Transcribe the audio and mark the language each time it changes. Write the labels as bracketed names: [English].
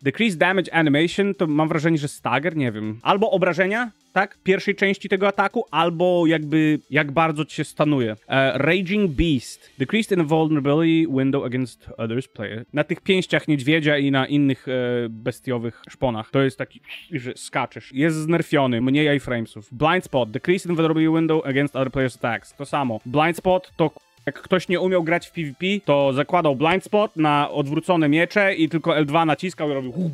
[English] Decrease damage animation [Polish] to mam wrażenie, że stagger, nie wiem. Albo obrażenia, tak? Pierwszej części tego ataku, albo jakby jak bardzo ci się stanuje. [English] Raging Beast. Decreased invulnerability window against others players. [Polish] Na tych pięściach niedźwiedzia i na innych bestiowych szponach. To jest taki, że skaczesz. Jest znerfiony. Mniej iframesów. Blind Spot. [English] Decreased invulnerability window against other players attacks. [Polish] To samo. Blind Spot to... Jak ktoś nie umiał grać w PvP, to zakładał Blind Spot na odwrócone miecze i tylko L2 naciskał i robił...